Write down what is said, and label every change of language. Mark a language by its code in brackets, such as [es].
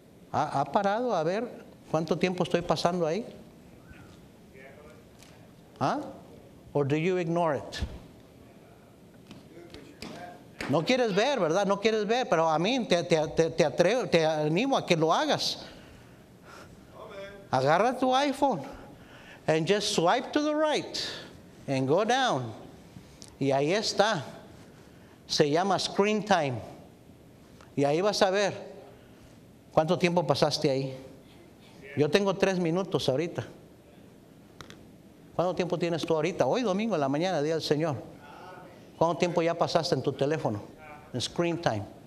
[es] ¿Ha parado a ver cuánto tiempo estoy pasando ahí? ¿Ah? ¿O [en] do you ignore it? [es] No quieres ver, ¿verdad? No quieres ver, pero a mí te animo a que lo hagas. Agarra tu [en] iPhone and just swipe to the right and go down. [es] Y ahí está. Se llama screen time. Y ahí vas a ver cuánto tiempo pasaste ahí. Yo tengo 3 minutos ahorita. ¿Cuánto tiempo tienes tú ahorita? Hoy domingo en la mañana, día del Señor. ¿Cuánto tiempo ya pasaste en tu teléfono? En screen time.